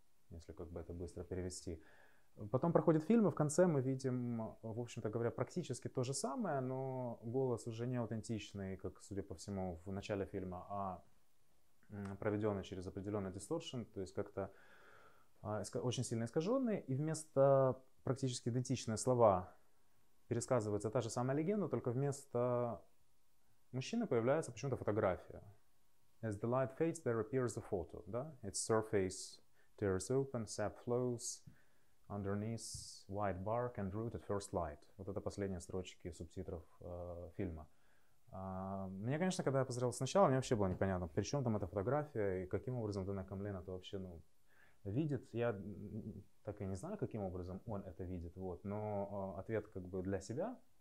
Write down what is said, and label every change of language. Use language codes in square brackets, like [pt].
[ru] Если как бы это быстро перевести. Потом проходит фильм, и в конце мы видим, в общем-то говоря, практически то же самое, но голос уже не аутентичный, как, судя по всему, в начале фильма, а проведенный через определенный дисторшн, то есть как-то очень сильно искаженный. И вместо практически идентичных слов пересказывается та же самая легенда, только вместо мужчины появляется почему-то фотография. [en] As the light fades, there appears a photo. [ru] Да? [en] Its surface tears open, sap flows underneath white bark and root at first light. [ru] Вот это последние строчки субтитров фильма. Мне, конечно, когда я посмотрел сначала, мне вообще было непонятно, при чем там эта фотография и каким образом Дэн Аккомлен это вообще, ну, видит. Я так и не знаю, каким образом он это видит. Вот. Но ответ как бы для себя